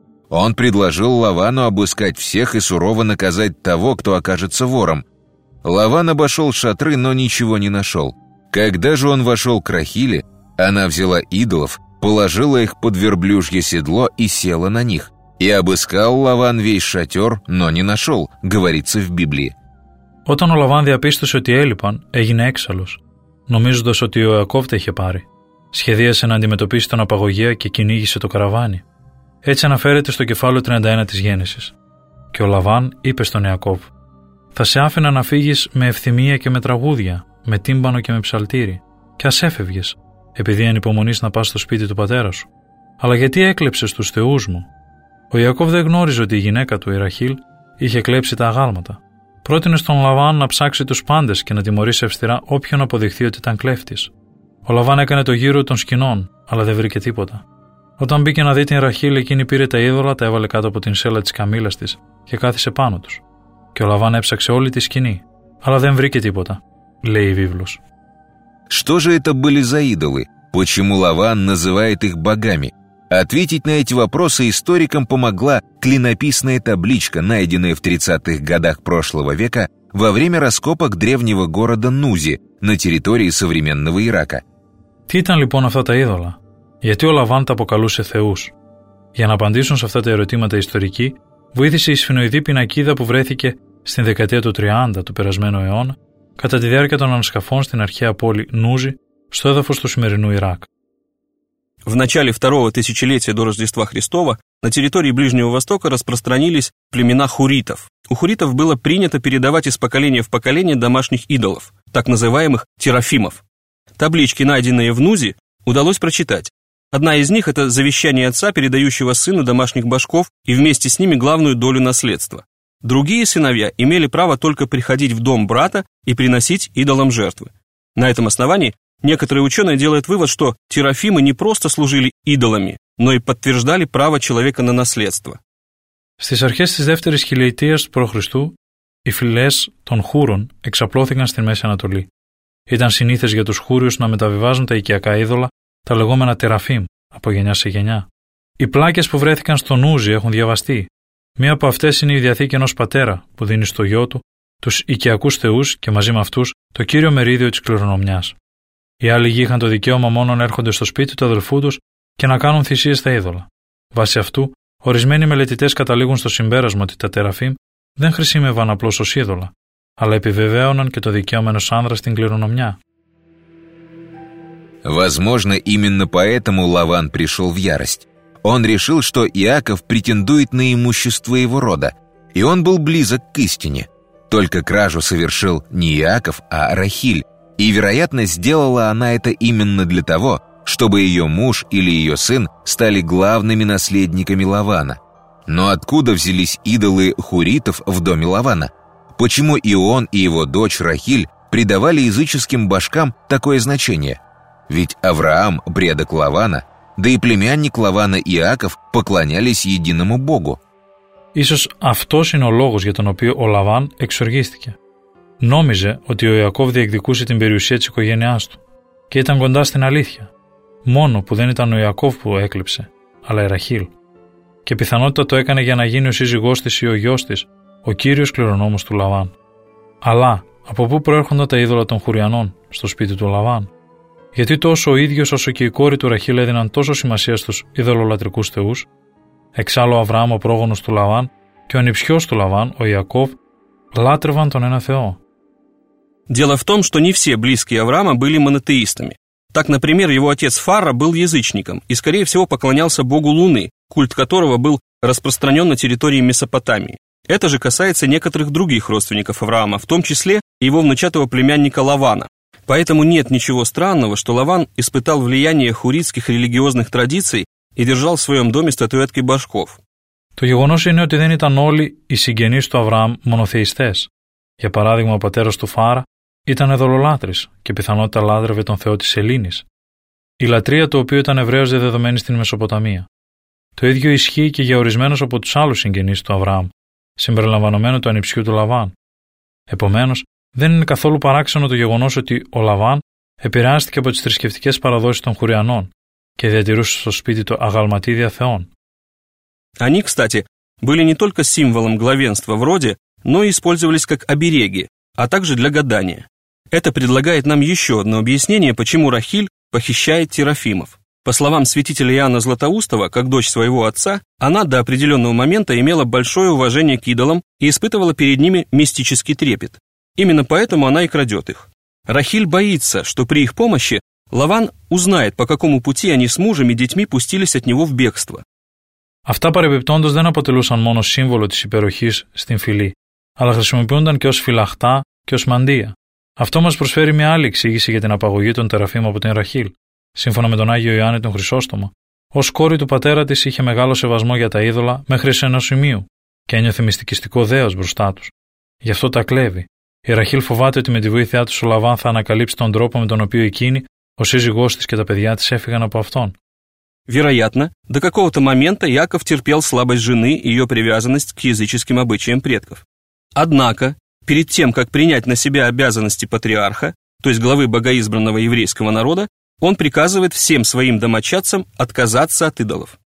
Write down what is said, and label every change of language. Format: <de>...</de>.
<ru>Он предложил Лавану обыскать всех и сурово наказать того, кто окажется вором. Лаван обошел шатры, но ничего не нашел. Когда же он вошел к Рахиле, она взяла идолов, положила их под верблюжье седло и села на них. И обыскал Лаван весь шатер, но не нашел», говорится в Библии.</ru> <el>Όταν ο Λαβάν διαπίστωσε ότι έλειπαν, έγινε έξαλλος, νομίζοντας ότι ο Ιακώβ τα είχε πάρει. Σχεδίασε να αντιμετωπίσει τον απαγωγέα και κυνήγησε το καραβάνι. Έτσι αναφέρεται στο κεφάλαιο 31 της Γένεσης. Και ο Λαβάν είπε στον Ιακώβ: «Θα σε άφηνα να φύγεις με ευθυμία και με τραγούδια, με τύμπανο και με ψαλτήρι, και ας έφευγες, επειδή ανυπομονείς να πας στο σπίτι του πατέρα σου. Αλλά γιατί έκλεψες τους θεούς μου?» Ο Ιακώβ δεν γνώριζε ότι η γυναίκα του, η Ραχήλ, είχε κλέψει τα αγάλματα. Πρότεινε στον Λαβάν να ψάξει τους πάντες και να τιμωρήσει αυστηρά όποιον αποδειχθεί ότι ήταν κλέφτης. Ο Λαβάν έκανε το γύρο των σκηνών, αλλά δεν βρήκε τίποτα. Όταν μπήκε να δει την Ραχήλ, εκείνη πήρε τα είδωλα, τα έβαλε κάτω από την σέλα της καμήλας της και κάθισε πάνω τους. Και ο Λαβάν έψαξε όλη τη σκηνή, αλλά δεν βρήκε τίποτα, λέει η βίβλος.</el> <ru>Что же это были за идолы? Почему Лаван называет их богами? Ответить на эти вопросы историкам помогла клинописная табличка, найденная в 30-х годах прошлого века во время раскопок древнего города Нузи на территории современного Ирака.</ru> <el>Τι ήταν λοιπόν αυτά τα είδωλα? Γιατί ο Λαβάν τα αποκαλούσε θεούς? Για να απαντήσουν σε αυτά τα ερωτήματα ιστορικοί, βοήθησε η σφινοειδή πινακίδα που βρέθηκε στην δεκαετία του 30 του περασμένου αιώνα κατά τη διάρκεια των ανασκαφών στην αρχαία πόλη Νούζι, στο έδαφος του σημερινού Ιράκ.</el> <ru>В начале второго тысячелетия до Рождества Христова на территории Ближнего Востока распространились племена хуритов. У хуритов было принято передавать из поколения в поколение домашних идолов, так называемых терафимов. Таблички, найденные в Нузи, удалось прочитать. Одна из них – это завещание отца, передающего сыну домашних башков и вместе с ними главную долю наследства. Другие сыновья имели право только приходить в дом брата и приносить идолам жертвы. На этом основании некоторые ученые делают вывод, что терафимы не просто служили идолами, но и подтверждали право человека на наследство.</ru> <el>Στις αρχές της δεύτερης χιλιετίας του π.Χ. οι φυλές των Χούρων εξαπλώθηκαν στη Μέση Ανατολή. Ήταν συνήθες για τους Χούριους να μεταβιβάζουν τα οικιακά είδωλα, τα λεγόμενα τεραφίμ, από γενιά σε γενιά. Οι πλάκες που βρέθηκαν στο Νούζι έχουν διαβαστεί. Μία από αυτές είναι η διαθήκη ενός πατέρα που δίνει στο γιο του τους οικιακούς θεούς και μαζί με αυτούς το κύριο μερίδιο της κληρονομιάς. Οι άλλοι γη είχαν το δικαίωμα μόνο να έρχονται στο σπίτι του αδελφού τους και να κάνουν θυσίες στα είδωλα. Βάσει αυτού, ορισμένοι μελετητές καταλήγουν στο συμπέρασμα ότι τα τεραφίμ δεν χρησιμεύαν απλώς ως είδωλα, αλλά επιβεβαίωναν και το δικαίωμα ενός άνδρα στην κληρονομιά.</el> <ru>Возможно, именно поэтому Лаван пришел в ярость. Он решил, что Иаков претендует на имущество его рода, и он был близок к истине. Только кражу совершил не Иаков, а Рахиль, и, вероятно, сделала она это именно для того, чтобы ее муж или ее сын стали главными наследниками Лавана. Но откуда взялись идолы хуритов в доме Лавана? Почему и он, и его дочь Рахиль придавали языческим башкам такое значение? Ведь Авраам, предок Лавана, да и племянник Лавана Иаков поклонялись единому Богу.</ru> <el>Ίσως αυτός είναι ο λόγος για τον οποίο ο Λαβάν εξοργίστηκε. Νόμιζε ότι ο Ιακώβ διεκδικούσε την περιουσία της οικογένειάς του και ήταν κοντά στην αλήθεια. Μόνο που δεν ήταν ο Ιακώβ που έκλεψε, αλλά η Ραχήλ. Και πιθανότητα το έκανε για να γίνει ο σύζυγός της ή ο γιος της, ο κύριος κληρονόμος του Λαβάν. Αλλά από πού προέρχονταν τα είδωλα των Χουριανών στο σπίτι του Λαβάν? Γιατί τόσο ο ίδιος όσο και η κόρη του Ραχήλ έδιναν τόσο σημασία στους ειδωλολατρικούς θεούς? Εξάλλου ο Αβραάμ, ο πρόγονος του Λαβάν, και ο ανιψιός του Λαβάν, ο Ιακώβ, λάτρευαν τον ένα Θεό.</el> <ru>Дело в том, что не все близкие Авраама были монотеистами. Так, например, его отец Фара был язычником и, скорее всего, поклонялся богу Луны, культ которого был распространен на территории Месопотамии. Это же касается некоторых других родственников Авраама, в том числе его внучатого племянника Лавана. Поэтому нет ничего странного, что Лаван испытал влияние хуритских религиозных традиций и держал в своем доме статуэтки башков.</ru> <el>То γεγονός είναι ότι δεν ήταν όλοι οι συγγενείς του Αβραάμ μονοθεϊστές. Για παράδειγμα, ο πατέρας του Φάρα ήταν ειδωλολάτρης και πιθανότητα λάτρευε τον θεό της Σελήνης, η λατρεία του οποίου ήταν ευρέως διαδεδομένη στην Μεσοποταμία. Το ίδιο ισχύει και για ορισμένους από τους άλλους συγγενείς του Αβραάμ, συμπεριλαμβανομένου του ανιψιού του Λαβάν. Επομένως, δεν είναι καθόλου παράξενο το γεγονός ότι ο Λαβάν επηρεάστηκε από τις θρησκευτικές παραδόσεις των Χουριανών και διατηρούσε στο σπίτι του αγαλματίδια θεών.</el> <ru>Они, кстати, были не только символом главенства в роде, но и использовались как обереги, а также для гадания. Это предлагает нам еще одно объяснение, почему Рахиль похищает терафимов. По словам святителя Иоанна Златоустова, как дочь своего отца, она до определенного момента имела большое уважение к идолам и испытывала перед ними мистический трепет. Именно поэтому она и крадет их. Рахиль боится, что при их помощи Лаван узнает, по какому пути они с мужем и детьми пустились от него в бегство.</ru> <el>Αυτά παρεμπιπτόντως δεν αποτελούσαν μόνο σύμβολο της υπεροχής στην φυλή, αλλά χρησιμοποιούνταν και ως φυλαχτά και ως μαντία. Αυτό μας προσφέρει μια άλλη εξήγηση για την απαγωγή των τεραφείμ από την Ραχήλ. Σύμφωνα με τον Άγιο Ιωάννη τον Χρυσόστομο, ως κόρη του πατέρα της είχε μεγάλο σεβασμό για τα είδωλα μέχρι σε ένα σημείο και ένιωθε μυστικιστικό δέος μπροστά τους. Γι' αυτό τα κλέβει. Η Ραχήλ φοβάται ότι με τη βοήθειά του ο Λαβάν θα ανακαλύψει τον τρόπο με τον οποίο εκείνη, ο σύζυγός της και τα παιδιά της έφυγαν από αυτόν.</el> <ru>Вероятно, до какого-то момента Яков терпел слабость жены и ее привязанность к языческим обычаям предков. Однако, перед тем, как принять на себя обязанности патриарха, то есть главы богоизбранного еврейского народа, он приказывает всем своим домочадцам отказаться от идолов.</ru>